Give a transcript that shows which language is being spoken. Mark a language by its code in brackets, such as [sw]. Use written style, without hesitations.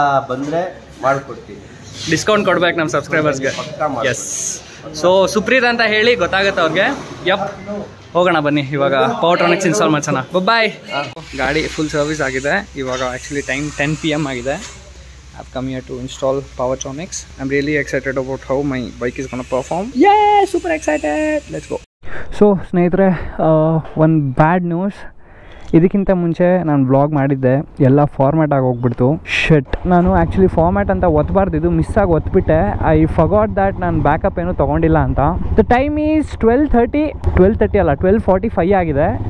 [kn] ಬಂದ್ರೆ ಮಾಡ್ಕೊಡ್ತೀನಿ, ಡಿಸ್ಕೌಂಟ್ ಕೊಡ್ಬೇಕು ನಮ್ಮ ಸಬ್ಸ್ಕ್ರೈಬರ್ಸ್ಗೆ. ಎಸ್, ಸೊ ಸುಪ್ರೀತ್ ಅಂತ ಹೇಳಿ ಗೊತ್ತಾಗುತ್ತೆ ಅವ್ರಿಗೆ. ಯಪ್, ಹೋಗೋಣ ಬನ್ನಿ, ಇವಾಗ ಪವರ್ಟ್ರಾನಿಕ್ಸ್ ಇನ್ಸ್ಟಾಲ್ ಮಾಡ್ಸೋಣ. ಬಾಯ್. ಗಾಡಿ ಫುಲ್ ಸರ್ವಿಸ್ ಆಗಿದೆ ಇವಾಗ. ಆಕ್ಚುಲಿ ಟೈಮ್ 10 PM ಆಗಿದೆ. [en] I've come here to install Powertronics. I'm really excited about how my bike is going to perform. Yay! Super excited! Let's go! [kn] So, ಸ್ನೇಹಿತರೆ, ಒಂದು ಬ್ಯಾಡ್ ನ್ಯೂಸ್. ಇದಕ್ಕಿಂತ ಮುಂಚೆ ನಾನು ವ್ಲಾಗ್ ಮಾಡಿದ್ದೆ, ಎಲ್ಲ ಫಾರ್ಮ್ಯಾಟ್ ಆಗಿ ಹೋಗ್ಬಿಡ್ತು. ಶಟ್, ನಾನು ಆ್ಯಕ್ಚುಲಿ ಫಾರ್ಮ್ಯಾಟ್ ಅಂತ ಒತ್ತಬಾರ್ದು, ಇದು ಮಿಸ್ ಆಗಿ ಒತ್ತಬಿಟ್ಟೆ. [en] I forgot that [kn] ನಾನು ಬ್ಯಾಕಪ್ ಏನೂ ತೊಗೊಂಡಿಲ್ಲ ಅಂತ. [en] the time is 12:30 [kn] ಅಲ್ಲ, 12:45 ಆಗಿದೆ.